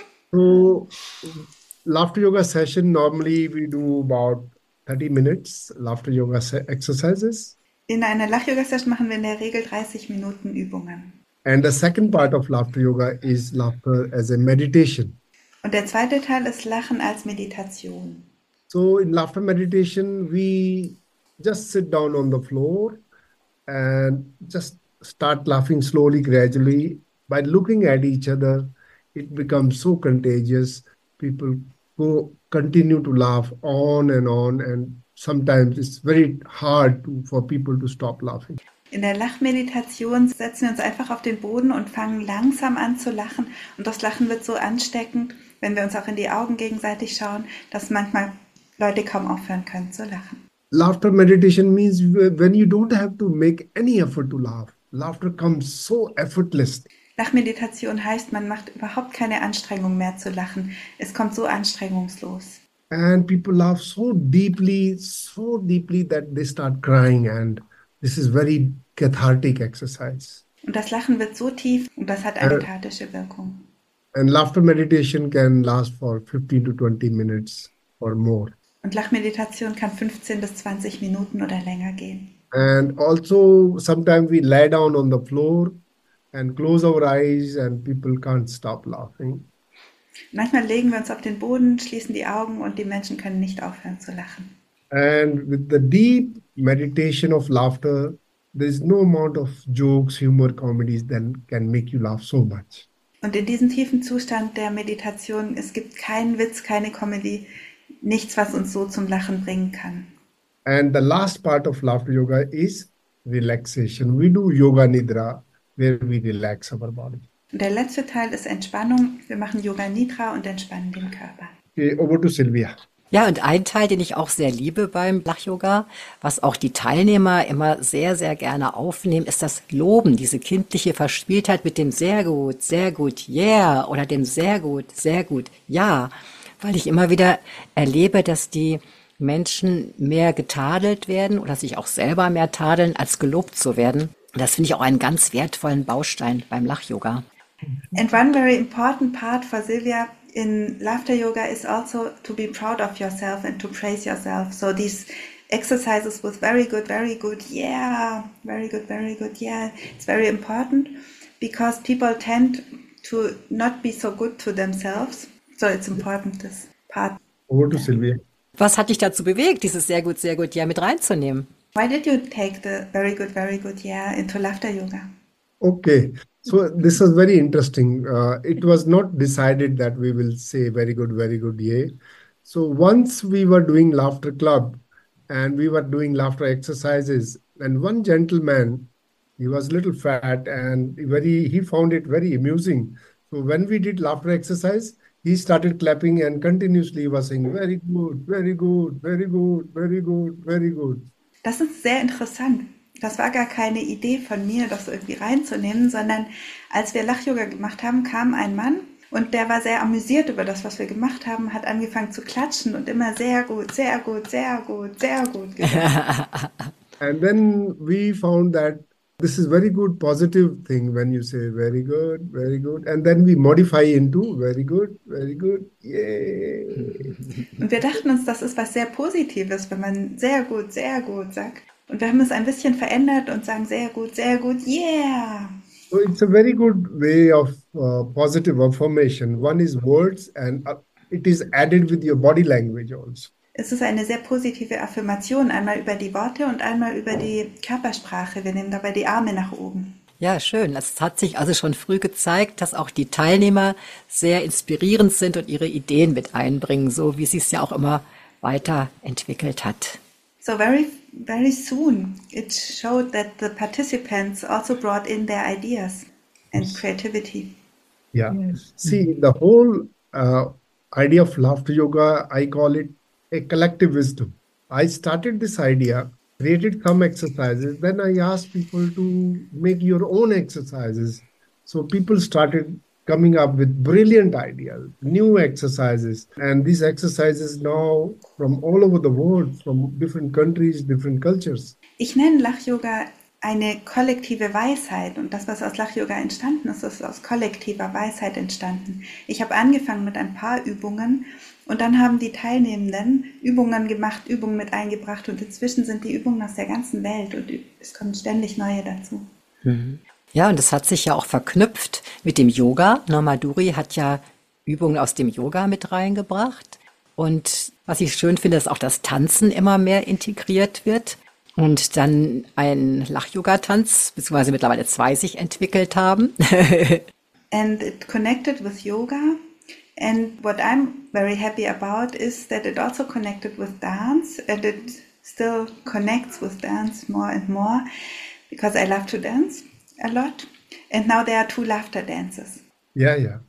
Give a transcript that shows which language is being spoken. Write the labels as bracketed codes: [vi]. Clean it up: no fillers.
[en] So, laughter yoga session, normally we do about 30 minutes laughter yoga exercises. [de] In einer Lach-Yoga-Session machen wir in der Regel 30 Minuten Übungen. [en] And the second part of laughter yoga is laughter as a meditation. [de] Und der zweite Teil ist Lachen als Meditation. [en] So in laughter meditation, we just sit down on the floor and just start laughing slowly, gradually. By looking at each other, it becomes so contagious. People go continue to laugh on, and sometimes it's very hard for people to stop laughing. [de] In der Lachmeditation setzen wir uns einfach auf den Boden und fangen langsam an zu lachen. Und das Lachen wird so ansteckend, wenn wir uns auch in die Augen gegenseitig schauen, dass manchmal Leute kaum aufhören können zu lachen. [en] Laughter meditation means when you don't have to make any effort to laugh. Laughter comes so effortless. [de] Lachmeditation heißt, man macht überhaupt keine Anstrengung mehr zu lachen. Es kommt so anstrengungslos. [en] And people laugh so deeply that they start crying. And this is very cathartic exercise. [de] Und das Lachen wird so tief und das hat eine kathartische Wirkung. [en] And laughter meditation can last for 15 to 20 minutes or more. [de] Und Lachmeditation kann 15 bis 20 Minuten oder länger gehen. [en] And also sometimes we lay down on the floor and close our eyes and people can't stop laughing. [de] Manchmal legen wir uns auf den Boden, schließen die Augen und die Menschen können nicht aufhören zu lachen. [en] And with the deep meditation of laughter, there's no amount of jokes, humor, comedies that can make you laugh so much. [de] Und in diesem tiefen Zustand der Meditation, es gibt keinen Witz, keine Comedy, nichts, was uns so zum Lachen bringen kann. [en] And the last part of laughter yoga is relaxation. We do yoga nidra, where we relax our body. [de] Und der letzte Teil ist Entspannung. Wir machen Yoga Nidra und entspannen den Körper. [en] Okay, over to Silvia. [de] Ja, und ein Teil, den ich auch sehr liebe beim Lach-Yoga, was auch die Teilnehmer immer sehr, sehr gerne aufnehmen, ist das Loben, diese kindliche Verspieltheit mit dem sehr gut, yeah, oder dem sehr gut, ja. Weil ich immer wieder erlebe, dass die Menschen mehr getadelt werden oder sich auch selber mehr tadeln, als gelobt zu werden. Und das finde ich auch einen ganz wertvollen Baustein beim Lach-Yoga. [en] And one very important part for Silvia in laughter yoga is also to be proud of yourself and to praise yourself. So these exercises with very good, very good, yeah, very good, very good, yeah. It's very important because people tend to not be so good to themselves. So it's important, this part. Over to Sylvia. [de] Was hat dich dazu bewegt, dieses sehr gut, ja mit reinzunehmen? [en] Why did you take the very good, yeah, into laughter yoga? Okay, so this was very interesting. It was not decided that we will say very good, yeah. So once we were doing laughter club and we were doing laughter exercises, and one gentleman, he was a little fat and he found it very amusing. So when we did laughter exercise, he started clapping and continuously was saying, very good, very good, very good, very good, very good. [de] Das ist sehr interessant. Das war gar keine Idee von mir, das irgendwie reinzunehmen, sondern als wir Lachyoga gemacht haben, kam ein Mann und der war sehr amüsiert über das, was wir gemacht haben, hat angefangen zu klatschen und immer sehr gut, sehr gut, sehr gut, sehr gut gesagt. [en] And then we found that this is very good positive thing when you say very good, and then we modify into very good, yay. [de] Und wir dachten uns, das ist was sehr Positives, wenn man sehr gut sagt. Und wir haben es ein bisschen verändert und sagen sehr gut, yeah. [en] So it's a very good way of positive affirmation. One is words and it is added with your body language also. [de] Es ist eine sehr positive Affirmation, einmal über die Worte und einmal über die Körpersprache. Wir nehmen dabei die Arme nach oben. Ja, schön. Es hat sich also schon früh gezeigt, dass auch die Teilnehmer sehr inspirierend sind und ihre Ideen mit einbringen, so wie sie es ja auch immer weiterentwickelt hat. [en] So very, very soon it showed that the participants also brought in their ideas and creativity. Yeah. See, the whole idea of laughter yoga, I call it a collective wisdom. I started this idea, created some exercises, then I asked people to make your own exercises. So people started coming up with brilliant ideas, new exercises. And these exercises now from all over the world, from different countries, different cultures. [de] Ich nenne Lachyoga eine kollektive Weisheit. Und das, was aus Lachyoga entstanden ist, ist aus kollektiver Weisheit entstanden. Ich habe angefangen mit ein paar Übungen. Und dann haben die Teilnehmenden Übungen gemacht, Übungen mit eingebracht. Und inzwischen sind die Übungen aus der ganzen Welt. Und es kommen ständig neue dazu. Mhm. Ja, und das hat sich ja auch verknüpft mit dem Yoga. Namaduri hat ja Übungen aus dem Yoga mit reingebracht. Und was ich schön finde, ist auch, dass Tanzen immer mehr integriert wird. Und dann ein Lach-Yoga-Tanz, beziehungsweise mittlerweile zwei, sich entwickelt haben. [en] And it connected with yoga. And what I'm very happy about is that it also connected with dance. And it still connects with dance more and more, because I love to dance. A lot. And now there are two laughter dances. Yeah, yeah.